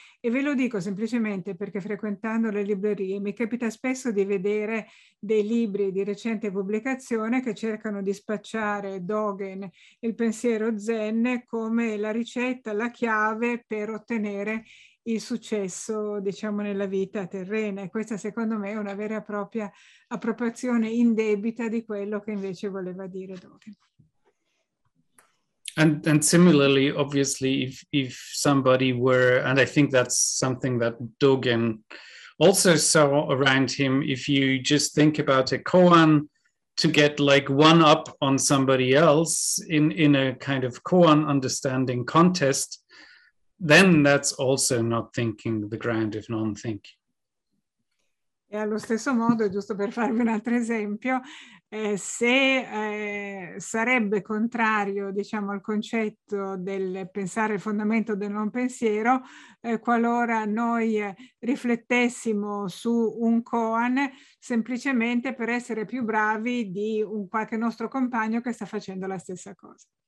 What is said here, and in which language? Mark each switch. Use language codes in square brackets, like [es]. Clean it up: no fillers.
[it] E ve lo dico semplicemente perché, frequentando le librerie, mi capita spesso di vedere dei libri di recente pubblicazione che cercano di spacciare Dogen, il pensiero zen, come la ricetta, la chiave per ottenere il successo, diciamo, nella vita terrena. E questa, secondo me, è una vera e propria appropriazione indebita di quello che invece voleva dire Dogen. [en] And similarly, obviously, if somebody were, and I think that's something that Dogen also saw around him, if you just think about a koan, to get like one up on somebody else in a kind of koan understanding contest, then that's also not thinking the ground of non-thinking. [it] E allo stesso modo, giusto per farvi un altro esempio, se sarebbe contrario, diciamo, al concetto del pensare il fondamento del non pensiero, qualora noi riflettessimo su un koan semplicemente per essere più bravi di un qualche nostro compagno che sta facendo la stessa cosa.